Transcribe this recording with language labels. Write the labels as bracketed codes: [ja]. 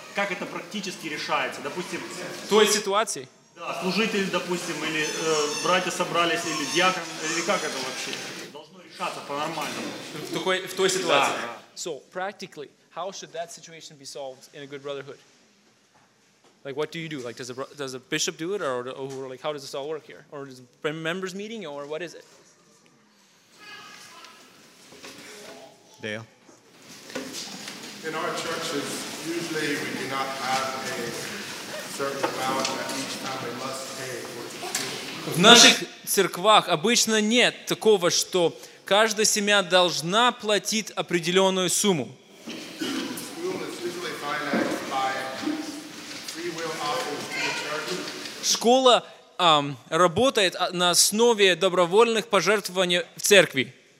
[ru] Как это практически решается? Допустим, в той ситуации? Да, служитель, допустим, или братья собрались, или диакон, или как это вообще? Должно решаться по-нормальному. В той ситуации? Да. [en] So, practically, how should that situation be solved in a good brotherhood? Like, what do you do? Like, does a bishop do it, or like, how does this all work here? Or is it a members meeting, or what is it? Dale? In our churches, usually we do not have a certain amount that each family must pay for each student. [ru] В наших церквах обычно нет такого, что каждая семья должна платить определенную сумму. Школа работает на основе добровольных пожертвований в церкви.